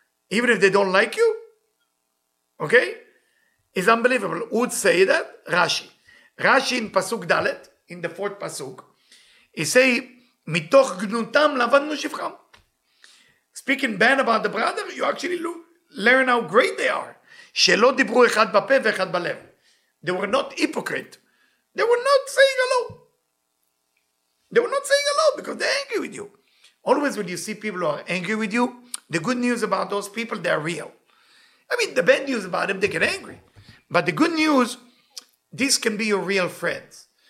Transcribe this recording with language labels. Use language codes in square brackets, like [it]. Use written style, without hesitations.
[en] Even if they don't like you. Okay? It's unbelievable. Who would say that? Rashi. Rashi in Pasuk Dalet, in the fourth Pasuk, he say, [he] מתוך גנותם לבדנו שפחם. [en] Speaking bad about the brother, you actually learn how great they are. [he] שלא דיברו אחד בפה ואחד בלב. [en] They were not hypocrite. They were not saying hello. They were not saying hello because they're angry with you. Always when you see people who are angry with you, the good news about those people, they're real. I mean, the bad news about them, they get angry. But the good news, this can be your real friends.